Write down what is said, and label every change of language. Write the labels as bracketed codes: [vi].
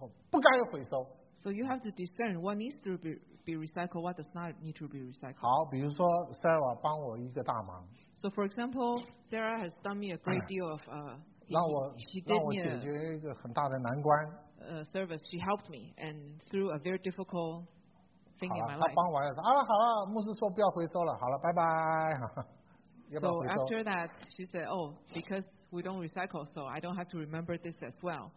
[en] So you have to discern what needs to be recycled, what does not need to be recycled. [zh] 好, 比如说, Sarah 帮我一个大忙, [en] so for example, Sarah has done me a great deal of service. She helped me and through a very difficult thing [zh] 好了, [en] in my life. [zh] 她帮完了, 说, 啊, 好了, 牧师说不要回收了, 好了, 拜拜。 [en] So after that, she said, oh, because we don't recycle, so I don't have to remember this as well.